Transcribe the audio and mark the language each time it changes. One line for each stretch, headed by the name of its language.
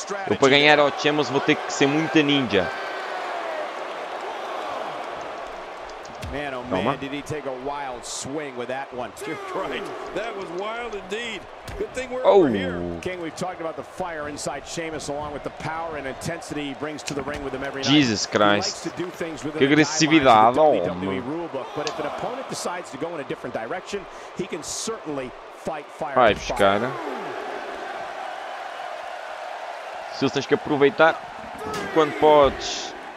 Portuguese: Eu para ganhar ao Chemos vou ter que ser muita ninja. Toma.
English: Did he take a wild swing with that one? You're right. That was wild indeed. Good thing we're here. King, we've talked about the fire inside Sheamus, along with the power and intensity he brings to the ring with him every night. Jesus Christ.
Portuguese: Que agressividade, homem.
English: But if an opponent decides to go in a different direction, he can certainly fight fire.
Portuguese: Vai buscar. Se você tens que aproveitar quando podes.